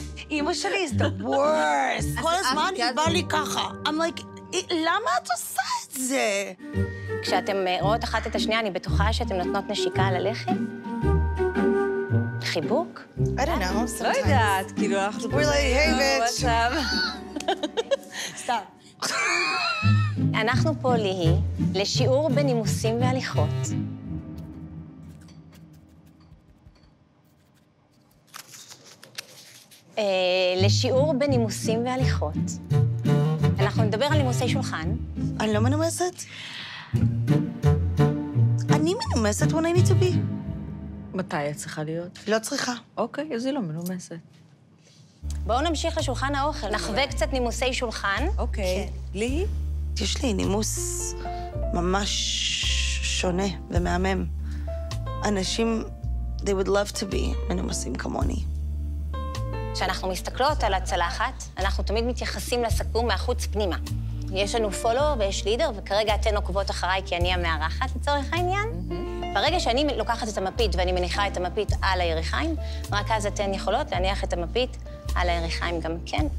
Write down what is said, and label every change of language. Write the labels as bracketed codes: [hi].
[he] אמא שלי, [en] it's the worst. [he] כל הזמן היא באה לי ככה. [en] I'm like, [he] למה את עושה את זה? כשאתם רואות אחת את השנייה, אני בטוחה שאתם נותנות נשיקה על הלחם? חיבוק? [en] I don't know, sometimes. [he] לא יודעת, כאילו, אנחנו... [en] We're like, hey, bitch. [he] סתם. אנחנו פה, ליהי, לשיעור בנימוסים והליכות. לשיעור בנימוסים והליכות. אנחנו נדבר על נימוסי שולחן. אני לא מנומסת. אני מנומסת [en] when I need to be. [he] מתי את צריכה להיות? לא צריכה. אוקיי, אז היא לא מנומסת. בואו נמשיך לשולחן האוכל. נחווה קצת נימוסי שולחן. אוקיי. לי? יש לי נימוס ממש שונה ומהמם. אנשים, [en] they would love to be [he] מנומסים כמוני. כשאנחנו מסתכלות על הצלחת, אנחנו תמיד מתייחסים לסכום מהחוץ פנימה. יש לנו פולו ויש לידר, וכרגע אתן עוקבות אחריי כי אני המארחת לצורך העניין. ברגע שאני לוקחת את המפית ואני מניחה את המפית על היריחיים, רק אז אתן יכולות להניח את המפית על היריחיים גם כן.